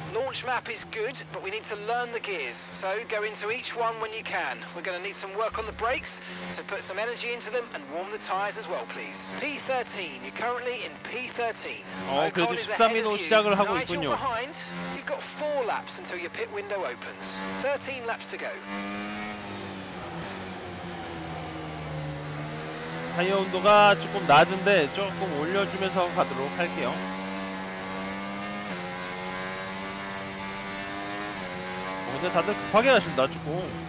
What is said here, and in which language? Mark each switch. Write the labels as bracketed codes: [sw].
[en] launch map is good but we need to learn the gears so go into each one when you can we're going to need some work on the brakes so put some energy into them and warm the tires as well please p13 you're currently in p13 [ko] 13위로 시작을 하고 있군요. [en] You've got 4 laps until your pit window opens 13 laps to go [ko] 타이어 온도가 조금 낮은데 조금 올려주면서 가도록 할게요. 근데 다들 급하게 하신다, 조금.